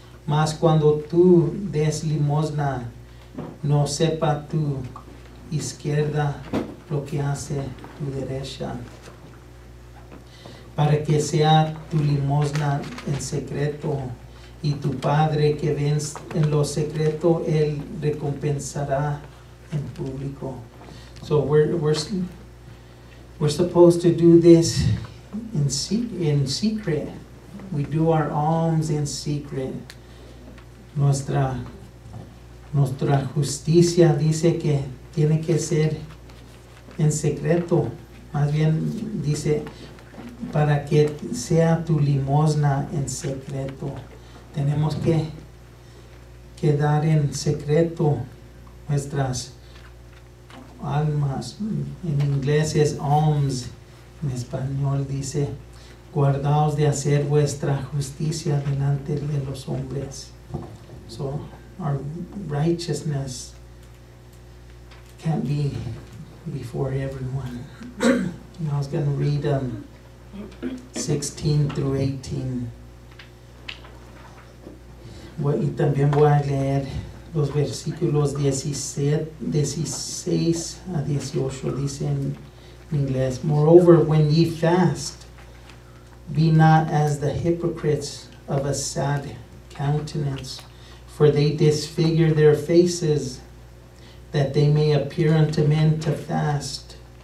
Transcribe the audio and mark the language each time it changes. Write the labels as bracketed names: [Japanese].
[Spanish] Mas cuando tú des limosna, no sepa tu izquierda lo que hace tu derecha, para que sea tu limosna en secreto, y tu padre que ve en lo secreto, él recompensará en público. [English] So we're supposed to do this in secret. We do our alms in secret. [Spanish] Nuestra justicia dice que tiene que ser en secreto. Más bien dice, para que sea tu limosna en secreto. Tenemos que dar en secreto nuestras almas. En inglés es alms. En español dice, guardaos de hacer vuestra justicia delante de los hombres. [English] So our righteousness can't be before everyone. And I was going to read 16 through 18. [Spanish] Bueno, y también voy a leer los versículos 16 a 18. Dice en inglés, [English] moreover, when ye fast, be not as the hypocrites of a sad countenance, for they disfigure their faces, that they may appear unto men to fast.